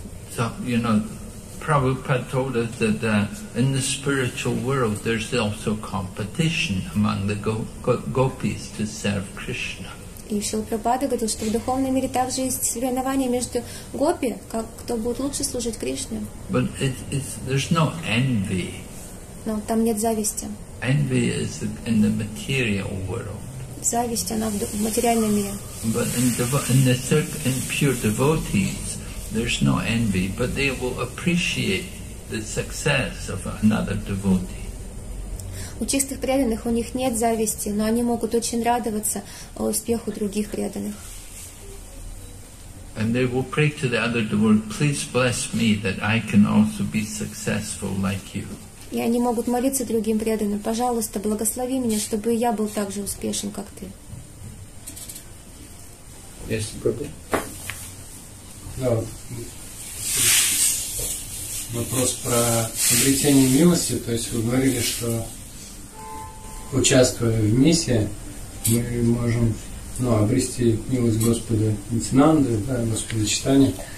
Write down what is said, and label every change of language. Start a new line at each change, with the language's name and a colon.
English: So, you know, Prabhupada told us that in the spiritual world there's also competition among the gopis to serve Krishna.
Russian: И Шрила Прабхупада говорил, что в духовном мире также есть соревнования между гопи, как кто будет лучше служить Кришне.
English: But it's there's no envy.
Russian: Но там нет зависти.
English: Envy is in the material world.
Russian: Зависть, она в материальном мире.
English: But in pure devotees, there's no envy, but they will appreciate the success of another devotee.
Russian: У чистых преданных у них нет зависти, но они могут очень радоваться успеху других преданных.
English: And they will pray to the other devotee, please bless me that I can also be successful like you.
Russian: И они могут молиться другим преданным, пожалуйста, благослови меня, чтобы я был так же успешен, как ты.
English: Yes, Prabhu.
Russian: Да. Вопрос про обретение милости. То есть вы говорили, что участвуя в миссии, мы можем обрести милость Господа Нитинанды, да, Господа Читания.